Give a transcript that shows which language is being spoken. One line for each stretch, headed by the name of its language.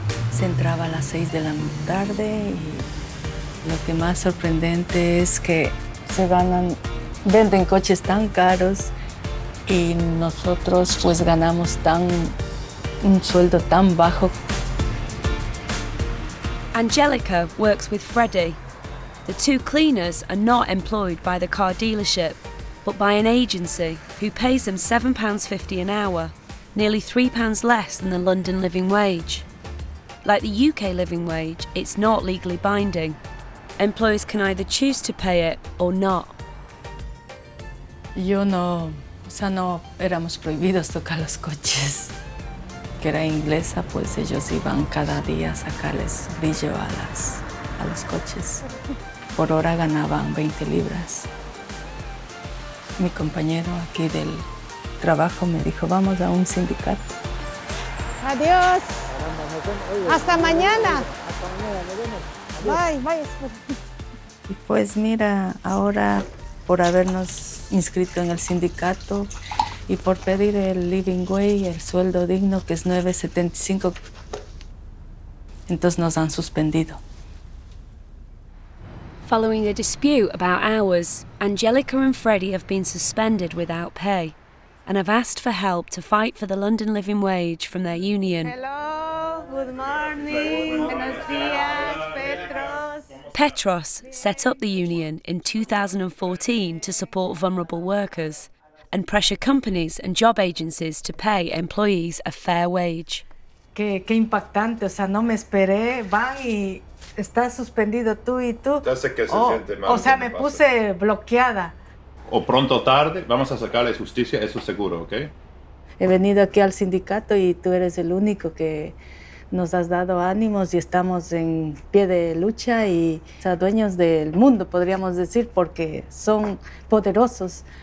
Spanish: Se entraba a las 6 de la tarde y lo que más sorprendente es que se ganan, venden coches tan caros y nosotros pues ganamos tan un sueldo tan bajo.
English: Angelica works with Freddy. The two cleaners are not employed by the car dealership, but by an agency who pays them £7.50 an hour, nearly £3 less than the London living wage. Like the UK living wage, it's not legally binding. Employers can either choose to pay it or not.
Spanish: Yo no, o sea, no éramos prohibidos tocar los coches. Que era inglesa, pues ellos iban cada día a sacarles brillo a los coches. Por hora ganaban 20 libras. Mi compañero aquí del trabajo me dijo, vamos a un sindicato. Adiós. Hasta mañana.
English: Bye, bye.
Spanish: Y pues mira, ahora por habernos inscrito en el sindicato y por pedir el living wage, el sueldo digno, que es 9.75, entonces nos han suspendido.
English: Following a dispute about hours, Angelica and Freddy have been suspended without pay and have asked for help to fight for the London living wage from their union. Hello, good morning.
Spanish: Buenos días,
English: Petros. Petros set up the union in 2014 to support vulnerable workers and pressure companies and job agencies to pay employees a fair wage.
Spanish: Qué impactante, o sea, no me esperé, van y estás suspendido tú y tú. Ya sé que se siente mal. O sea, me puse bloqueada. O pronto o tarde, vamos a sacarle justicia, eso seguro, ¿ok? He venido aquí al sindicato y tú eres el único que nos has dado ánimos y estamos en pie de lucha y o sea, dueños del mundo, podríamos decir, porque son poderosos.